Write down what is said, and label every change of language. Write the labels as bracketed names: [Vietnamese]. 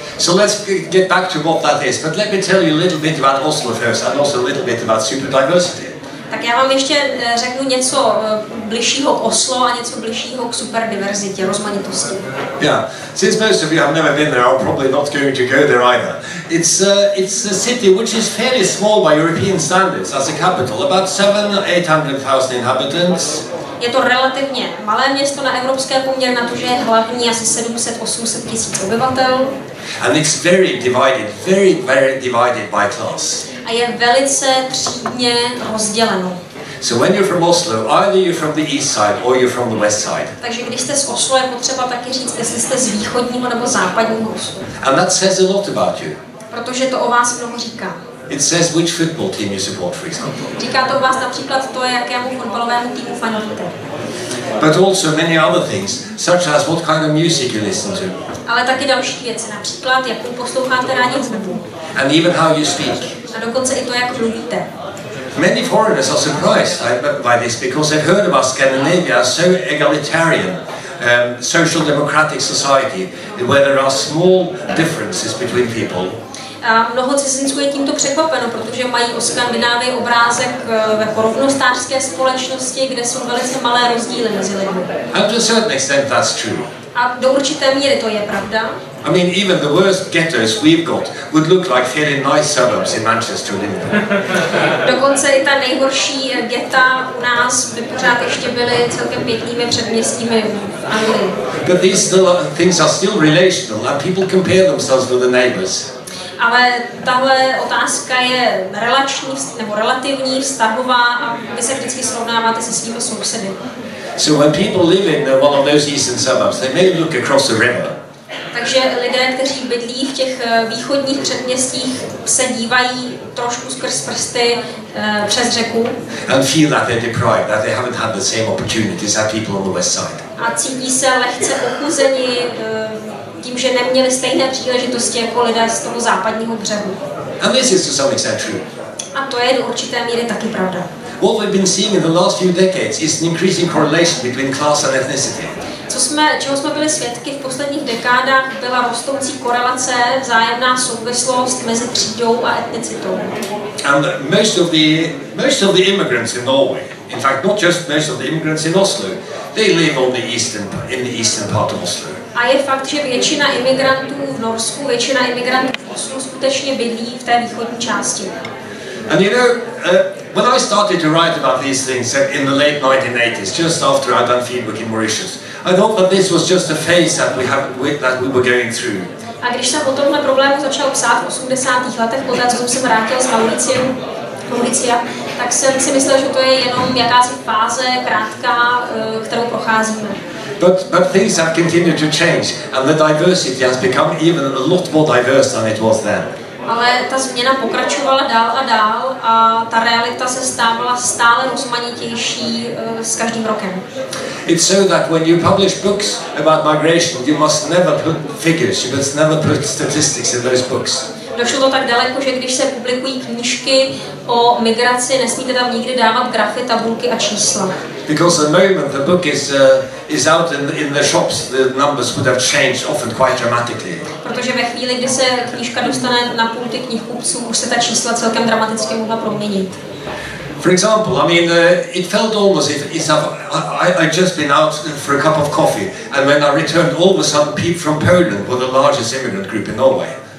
[English] So let's get back to what that is, but let me tell you a little bit about Oslo first and also a little bit about superdiversity. [Czech] Tak já vám ještě řeknu něco bližšího k Oslo a něco bližšího k superdiverzitě, rozmanitosti. [English] Yeah, since most of you have never been there, I'm probably not going to go there either. It's a city which is fairly small by European standards as a capital, about 700,000-800,000 inhabitants. [Czech] Je to relativně malé město na evropské poměr, na to, že je hlavní asi 700-800 tisíc obyvatel. [English] And it's very divided, very, very divided by class. [Czech] A je velice třídně rozděleno. [English] So when you're from Oslo, either you're from the east side or you're from the west side. [Czech] Takže když jste z Oslo, je potřeba taky říct, jestli jste z východního nebo západního Oslo. [English] And that says a lot about you. [Czech] Protože to o vás mnoho říká. [English] It says which football team you support, for example. [Czech] Říká to o vás například to, jakému fotbalovému týmu fandíte. [English] But also many other things, such as what kind of music you listen to. [Czech] Ale taky další věci, například jakou posloucháte rádi hudbu. [English] And even how you speak. [Czech] A dokonce i to, jak mluvíte. [English] Many foreigners are surprised by this because they've heard about Scandinavia as so egalitarian, social democratic society, where there are small differences between people. [Czech] A mnoho cizinců je tímto překvapeno, protože mají o Skandinávii obrázek ve rovnostářské společnosti, kde jsou velice malé rozdíly mezi lidmi. [English] And to a certain extent that's true. [Czech] A do určité míry to je pravda. [English] I mean, even the worst ghettos we've got would look like fairly nice suburbs in Manchester or Liverpool. [Czech] Dokonce i ta nejhorší ghetta u nás by pořád ještě byly celkem pěknými předměstími v Anglii. [English] But these things are still relational and people compare themselves with the neighbors. [Czech] Ale tahle otázka je relační nebo relativní, vztahová a vy se vždycky srovnáváte se svými sousedy. [English] So when people live in one of those eastern suburbs, they may look across the river. [Czech] Takže lidé, kteří bydlí v těch východních předměstích, se dívají trošku skrz prsty přes řeku. [English] And feel that they're deprived, that they haven't had the same opportunities as people on the west side. [Czech] A cítí se lehce ochuzeni tím, že neměli stejné příležitosti jako lidé z toho západního břehu. [English] And this is to some extent true. [Czech] A to je do určité míry taky pravda. [English] What we've been seeing in the last few decades is an increasing correlation between class and ethnicity. [Czech] Čeho jsme byli svědky v posledních dekádách, byla rostoucí korelace, vzájemná souvislost mezi třídou a etnicitou. [English] And most of the immigrants in Norway, in fact not just most of the immigrants in Oslo, they live on the eastern in the eastern part of Oslo. [Czech] A je fakt, že většina imigrantů v Norsku, většina imigrantů v Oslu skutečně bydlí v té východní části. [English] And you know, when I started to write about these things in the late 1980s, just after I'd done field work in Mauritius, I thought that this was just a phase that we were going through. [Czech] A když jsem o tomhle problému začal psát v 80. letech, poté co jsem se vrátil z Mauricia, tak jsem si myslel, že to je jenom jakási fáze krátká, kterou procházíme. [English] But things have continued to change and the diversity has become even a lot more diverse than it was then. [Czech] Ale ta změna pokračovala dál a dál a ta realita se stávala stále rozmanitější s každým rokem. [English] It's so that when you publish books about migration, you must never put figures, you must never put statistics in those books. [Czech] Došlo to tak daleko, že když se publikují knížky o migraci, nesmíte tam nikdy dávat grafy, tabulky a čísla. [English] Because the moment the book is out in the shops, the numbers would have changed often quite dramatically. [Czech] Protože ve chvíli, kdy se knížka dostane na pulty knihkupců, už se ta čísla celkem dramaticky mohla proměnit. [English] For example, I mean, it felt almost I'd just been out for a cup of coffee, and when I returned, all of a sudden, people from Poland were the largest immigrant group in Norway.